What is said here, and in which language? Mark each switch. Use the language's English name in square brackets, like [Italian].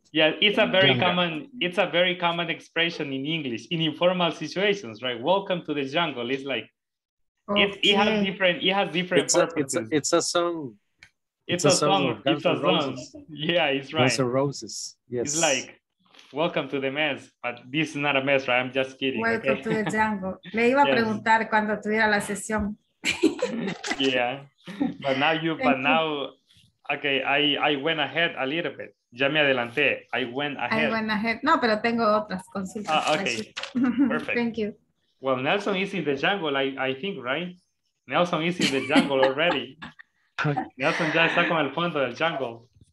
[English] Yeah, it's a very common expression in English in informal situations, right? Welcome to the jungle. It's like okay. it has different purposes. It's a song. It's a song. Yeah, it's right. Guns N' Roses. Yes. It's like welcome to the mess, but this is not a mess, right? I'm just kidding. Welcome okay? to the jungle. [Spanish] Le iba a preguntar cuando tuviera la sesión. [English] Yeah. But now okay, I went ahead a little bit. [Spanish] Ya me adelanté. [English] I went ahead. [Spanish] No, pero tengo otras consultas. [English] Ah, okay. Perfect. Thank you. Well, Nelson is in the jungle, I think, right? Nelson is in the jungle already. [Spanish] Nelson ya está con el fondo del jungle.